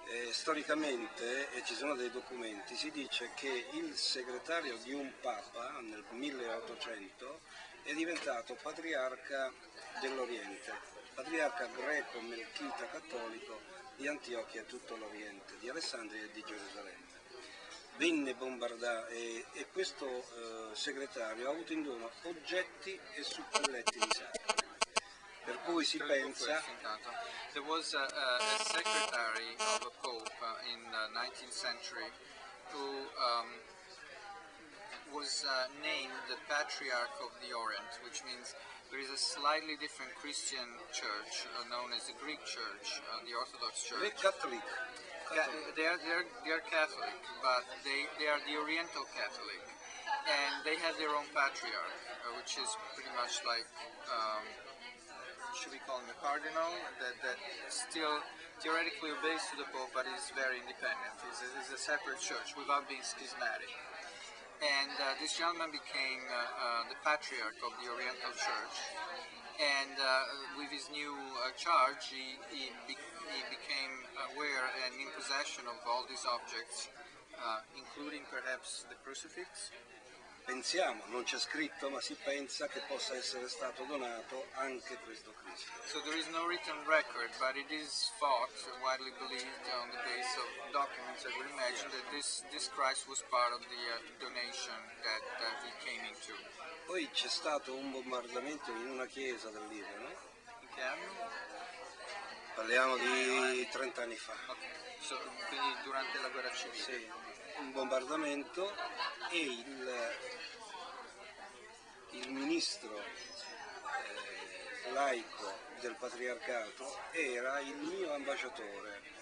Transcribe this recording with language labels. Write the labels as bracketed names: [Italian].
[Italian] Storicamente, e ci sono dei documenti, si dice che il segretario di un papa nel 1800 è diventato patriarca dell'Oriente, patriarca greco, melchita, cattolico di Antiochia e tutto l'Oriente, di Alessandria e di Gerusalemme. Venne bombardato e questo segretario ha avuto in dono oggetti e suppelletti di sacri. Per cui si pensa. [English] There was a secretary of a pope in the 19th century who was named the Patriarch of the Orient, which means there is a slightly different Christian church known as the Greek Church, the Orthodox Church. They're Catholic. They are Catholic, but they are the Oriental Catholic. and they had their own patriarch, which is pretty much like, should we call him a cardinal, that still theoretically obeys to the Pope, but is very independent. It's a separate church without being schismatic. And this gentleman became the patriarch of the Oriental Church. And with his new charge, he became aware and in possession of all these objects, including perhaps the crucifix. [Italian] Pensiamo, non c'è scritto, ma si pensa che possa essere stato donato anche questo crucifisso. [English] So there is no written record, but it is thought, widely believed, on the basis of documents that we imagine, that this Christ was part of the donation that he came into. [Italian] Poi c'è stato un bombardamento in una chiesa del Libano, no? Parliamo di 30 anni fa. Okay. So, quindi durante la guerra civile? Sì, un bombardamento e il ministro laico del patriarcato era il mio ambasciatore.